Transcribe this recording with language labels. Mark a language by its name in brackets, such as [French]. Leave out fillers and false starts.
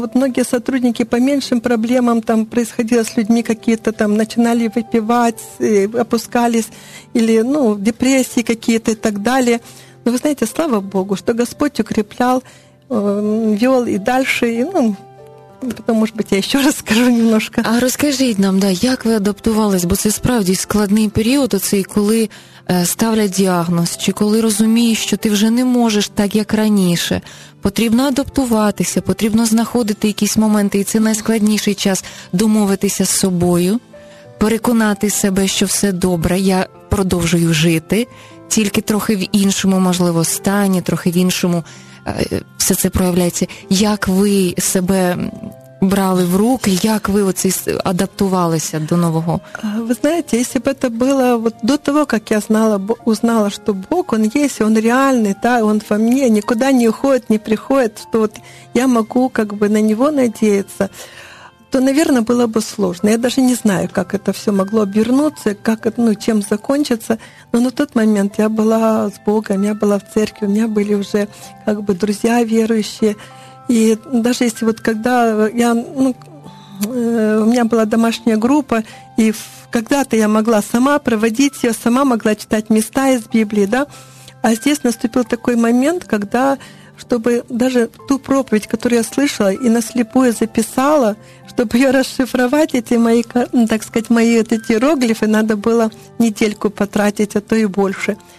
[Russian] Вот многие сотрудники по меньшим проблемам там происходило с людьми какие-то там, начинали выпивать, опускались, или, ну, депрессии какие-то и так далее. Но вы знаете, слава Богу, что Господь укреплял, вел и дальше, и, ну... Потом, может быть, я ще раз скажу немножко. [Ukrainian] А розкажіть нам, да, як ви адаптувались? Бо це справді складний період, оцей, коли ставлять діагноз, чи коли розумієш, що ти вже не можеш так, як раніше. Потрібно адаптуватися, потрібно знаходити якісь моменти, і це найскладніший час, домовитися з собою, переконати себе, що все добре, я продовжую жити, тільки трохи в іншому, можливо, стані, трохи в іншому. Все це проявляється. Як ви себе брали в руки, як ви оце адаптувалися до нового? Ви знаєте, якщо б це було от до того, як я знала, узнала, що Бог, він є, він реальний, та, він во мені, нікуди не уходить, не приходить, що от я можу как бы, на нього надіятися, то, мабуть, було б складно. Я навіть не знаю, як це все могло обернутися, як, ну, чим закінчиться. [Russian] Но на тот момент я была с Богом, я была в церкви, у меня были уже как бы друзья верующие. И даже если вот когда я, ну, у меня была домашняя группа, и когда-то я могла сама проводить ее, сама могла читать места из Библии, да, а здесь наступил такой момент, когда, чтобы даже ту проповедь, которую я слышала и наслепую записала, чтобы ее расшифровать, эти мои, так сказать, мои вот эти иероглифы, надо было недельку потратить, а то и больше.